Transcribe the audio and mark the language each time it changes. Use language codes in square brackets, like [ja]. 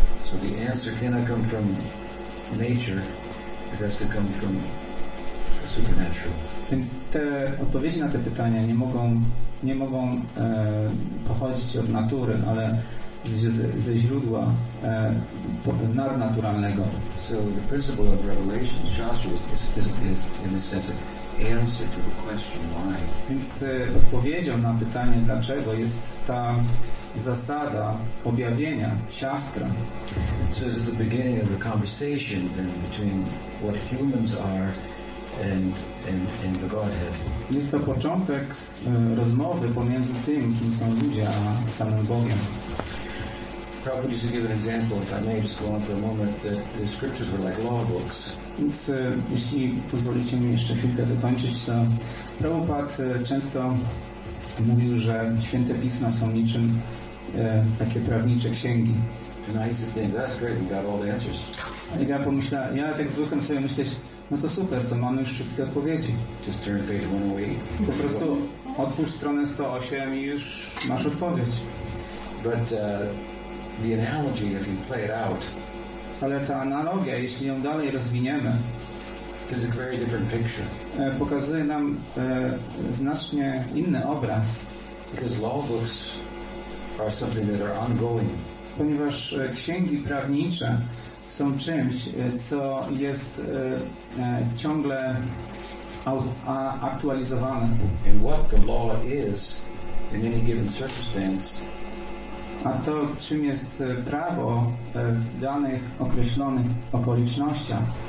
[en] So the answer cannot come from nature, it has to come from the supernatural. [pl] Więc te odpowiedzi na te pytania nie mogą pochodzić od natury, ale ze źródła nadnaturalnego. [en] So the principle of revelation, Shastra, is in a sense of answer to the question why. [pl] Więc odpowiedzią na pytanie dlaczego jest ta zasada objawienia, Shastra. [en] So this is the beginning of a conversation then between what humans are and the Godhead. [pl] Jest to początek rozmowy pomiędzy tym, kim są ludzie, a samym Bogiem. [en] Prabhupada used to give an example, if I may just go on for a moment, that the scriptures were like law books. [pl] Więc jeśli pozwolicie mi jeszcze chwilkę dokończyć, to Prabhupada często mówił, że święte pisma są niczym takie prawnicze księgi. [en] And I used to think, that's great, we've got all the answers. [pl] I ja pomyślałem, ja tak zwykłem sobie myśleć, no to super, to mamy już wszystkie odpowiedzi. [en] Just turn page 108. [pl] Po prostu otwórz stronę 108 i już masz odpowiedź. [en] But the analogy, if you play it out, [pl] ale ta analogia, jeśli ją dalej rozwiniemy, [en] is a very different picture. [pl] Pokazuje nam znacznie inny obraz. [en] Because law books are something that are ongoing. [pl] Ponieważ księgi prawnicze są czymś, co jest ciągle aktualizowane. [en] And what the law is in any given circumstance. [pl] A to, czym jest prawo w danych określonych okolicznościach,